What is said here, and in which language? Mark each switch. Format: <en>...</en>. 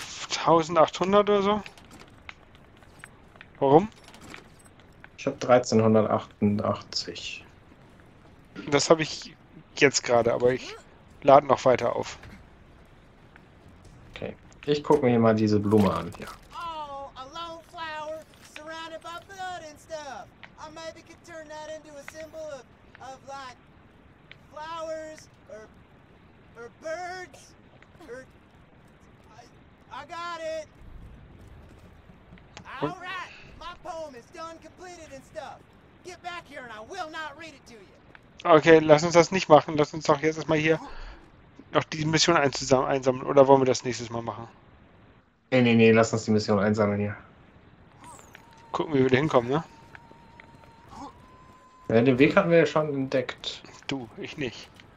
<de>1800 oder so. Warum? Ich habe 1388. Das habe ich jetzt gerade, aber ich lade noch weiter auf. Okay, ich gucke mir hier mal diese Blume an. Ja.</de> <en>Oh, a lone flower surrounded by blood and stuff. I maybe could turn that into a symbol of like flowers or birds or I got it. All right, my poem is done, completed and stuff. Get back here and I will not read it to you.</en> <de>Okay, lass uns das nicht machen. Lass uns doch jetzt erstmal hier noch die Mission einsammeln. Oder wollen wir das nächstes Mal machen? Nee, lass uns die Mission einsammeln hier. Gucken, wie wir da hinkommen, ne? Ja, den Weg hatten wir ja schon entdeckt. Du, ich nicht.</de>